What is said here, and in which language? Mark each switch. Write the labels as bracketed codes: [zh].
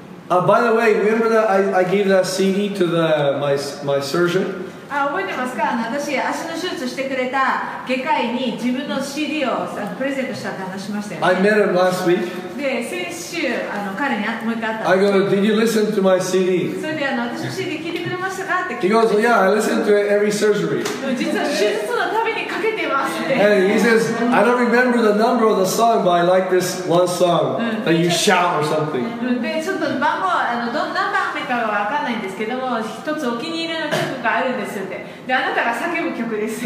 [en] By the way, remember that I gave that CD to my surgeon? [ja] 覚えてますか？私、足の手術してくれた外科医に自分の CD をプレゼントしたって話しましたよね。 [en] I met him last week. [ja] で、先週、彼にもう一回会った。 [en] I go, did you listen to my CD? [ja] それで、私の CD 聞いてくれましたかって聞いて。 [en] He goes, yeah, I listen to it every surgery. [ja] 実は手術のたびにかけてますって。 [en] And he says, I don't remember the number of the song, but I like this one song that you shout or something. [ja] で、ちょっと番号、どんな番目かはわかんないんですけども、一つお気に入りの曲があるんですよ。で、あなたが叫ぶ曲です。